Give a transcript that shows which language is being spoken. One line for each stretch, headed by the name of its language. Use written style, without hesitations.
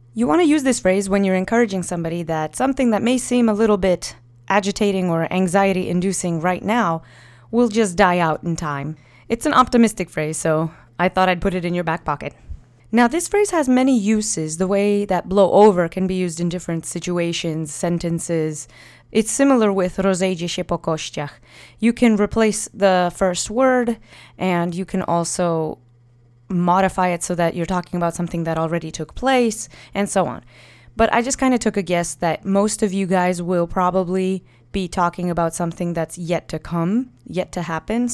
English: You want to use this phrase when you're encouraging somebody that something that may seem a little bit agitating or anxiety-inducing right now will just die out in time. It's an optimistic phrase, so I thought I'd put it in your back pocket. Now, this phrase has many uses. The way that blow over can be used in different situations, sentences. It's similar with
Polish: rozejdzie się po kościach.
English: You can replace the first word, and you can also modify it so that you're talking about something that already took place, and so on. But I just kind of took a guess that most of you guys will probably be talking about something that's yet to come, yet to happen.